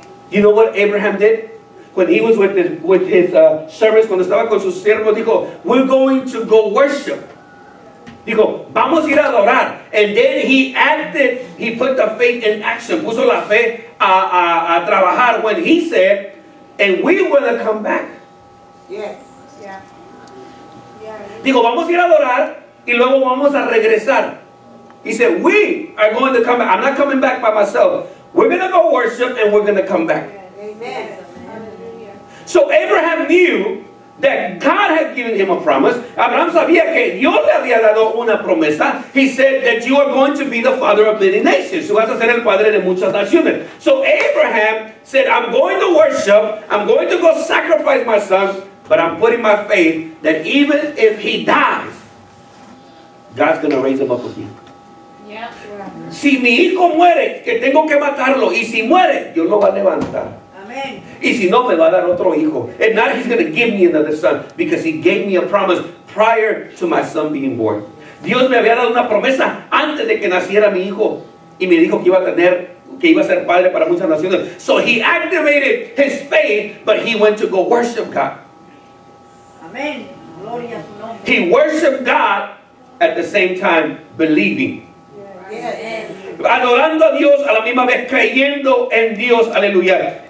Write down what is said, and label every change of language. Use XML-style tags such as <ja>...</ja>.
<en>You know what Abraham did? When he was with his servants,</en> <es>cuando estaba con sus siervos, dijo,</es> <en>we're going to go worship.</en> <es>Dijo, vamos a ir a adorar.</es> <en>And then he acted, he put the faith in action.</en> <es>Puso la fe a trabajar</es> <en>when he said, and we will come back. Yes. Yeah.</en> <es>Dijo, vamos a ir a adorar y luego vamos a regresar.</es> <en>He said, we are going to come back. I'm not coming back by myself. We're going to go worship and we're going to come back. Amen. So Abraham knew that God had given him a promise.</en> <es>Abraham sabía que Dios le había dado una promesa.</es> <en>He said that you are going to be the father of many nations.</en> <es>Tú vas a ser el padre de muchas naciones.</es> <en>So Abraham said, I'm going to worship. I'm going to go sacrifice my son. But I'm putting my faith that even if he dies, God's going to raise him up again. Yeah.</en> <es>Si mi hijo muere, que tengo que matarlo. Y si muere, Dios lo va a levantar. Amen. Y si no, me va a dar otro hijo.</es> <en>And now he's going to give me another son. Because he gave me a promise prior to my son being born.</en> <es>Dios me había dado una promesa antes de que naciera mi hijo. Y me dijo que iba a ser padre para muchas naciones.</es> <en>So he activated his faith, but he went to go worship God.</en> <es>Amen. Gloria a su nombre.</es> <en>He worshiped God at the same time believing.</en> <es>Adorando a Dios a la misma vez, creyendo en Dios, aleluya.</es>